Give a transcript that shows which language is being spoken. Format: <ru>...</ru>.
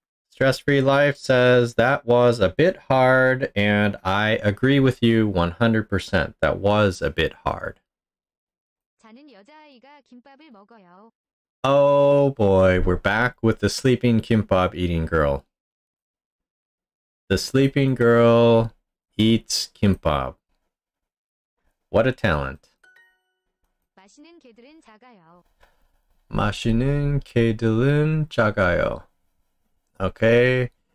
<en>Stress-free life says that was a bit hard, and I agree with you 100%. That was a bit hard.</en> <ko>자는 여자아이가 김밥을 먹어요.</ko> <en>Oh boy, we're back with the sleeping kimbap eating girl. The sleeping girl eats kimbap. What a talent.</en> <ko>마시는 개들은 작아요. 마시는 개들은 작아요. Okay.</ko>